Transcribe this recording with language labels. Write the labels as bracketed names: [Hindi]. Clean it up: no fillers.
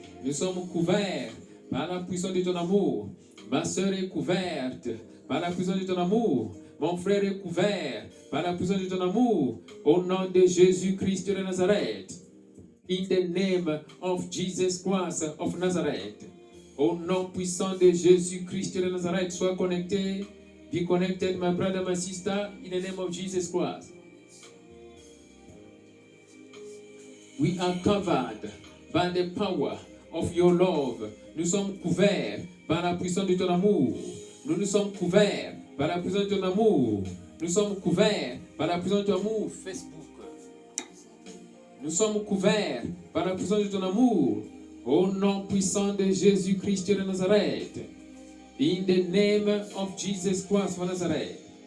[French] Nous sommes couverts par la puissance de ton amour. Ma sœur est couverte par la puissance de ton amour. Mon frère est couvert par la puissance de ton amour. Au nom de Jésus-Christ de Nazareth. [English] In the name of Jesus Christ of Nazareth. [French] Au nom puissant de Jésus-Christ de Nazareth. Sois connecté. [English] Be connected, my brother, my sister. In the name of Jesus Christ. We are covered by the power of your love. [French] Nous sommes couverts par la puissance de ton amour. Nous sommes couverts par la puissance de ton amour. Nous sommes couverts par la puissance de ton amour. Facebook. Nous sommes couverts par la puissance de ton amour. Au nom puissant de Jésus-Christ de Nazareth. [English] In the name of Jesus Christ of Nazareth.